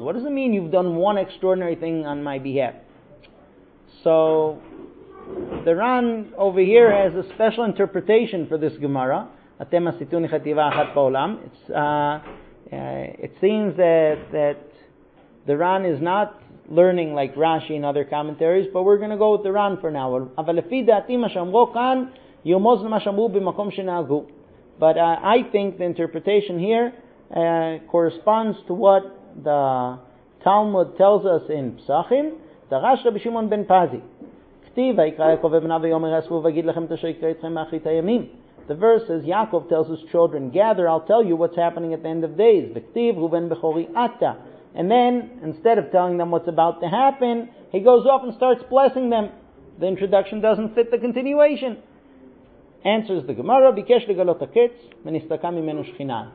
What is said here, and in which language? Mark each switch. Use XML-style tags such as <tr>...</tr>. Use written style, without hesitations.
<en>What does it mean you've done one extraordinary thing on my behalf? So, the Ran over here has a special interpretation for this Gemara. Atem asitun chativa achat ba'olam. It seems that the Ran is not learning like Rashi and other commentaries, but we're going to go with the Ran for now.</en> <he>אבל לפי דעתי מה שאמרו כאן יומוז למה שאמרו במקום שנהגו.</he> <en>But I think the interpretation here corresponds to what the Talmud tells us in Psachim.</en> <he>דרש רבי שמעון בן פזי. כתיב, ויקרא יעקב בן בניו ויאמר אספו ויגיד לכם את אשר יקרא אתכם באחרית הימים.</he> <en>The verse says, Yaakov tells his children, gather, I'll tell you what's happening at the end of days. וכתיב, ובן בכורי עתה. And then, instead of telling them what's about to happen, he goes off and starts blessing them. The introduction doesn't fit the continuation. Answers the Gemara, Bikesh legalot haketz, menistakam imenu shechina.</en>